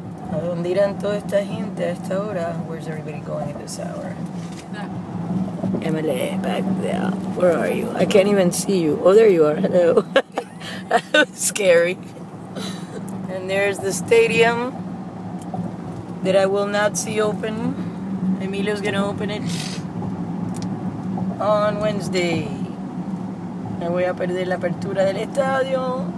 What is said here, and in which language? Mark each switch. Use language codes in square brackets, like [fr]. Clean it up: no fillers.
[es] ¿A dónde irán toda esta gente a esta hora? [en] Where's everybody going at this hour? MLA, back there. Where are you? I can't even see you. Oh, there you are. Hello. Scary. And there's the stadium that I will not see open. Emilio's gonna open it on Wednesday. [es] Me voy a perder la apertura del estadio.